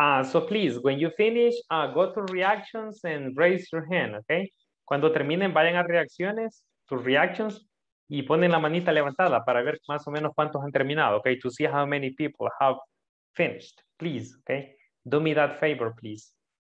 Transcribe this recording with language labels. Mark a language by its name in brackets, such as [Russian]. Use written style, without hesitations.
[English] So please, when you finish, go to reactions and raise your hand, okay? [Spanish] Cuando terminen, vayan a reacciones, tus reactions, y ponen la manita levantada para ver más o menos cuántos han terminado, okay? [English] To see how many people have finished, please, okay? Do me that favor, please.